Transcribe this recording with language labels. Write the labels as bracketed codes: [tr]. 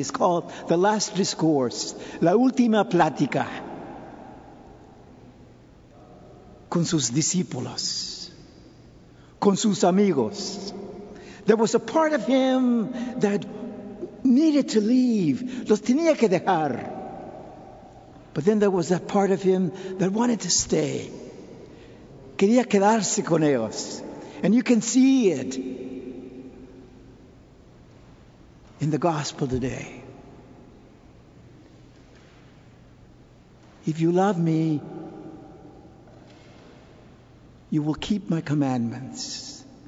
[en] It's called the last discourse, [es] la última plática, con sus discípulos, con sus amigos. [en] There was a part of him that needed to leave. [es] Los tenía que dejar. [en] But then there was that part of him that wanted to stay. [es] Quería quedarse con ellos. [en] And you can see it in the gospel today. If you love me, you will keep my commandments.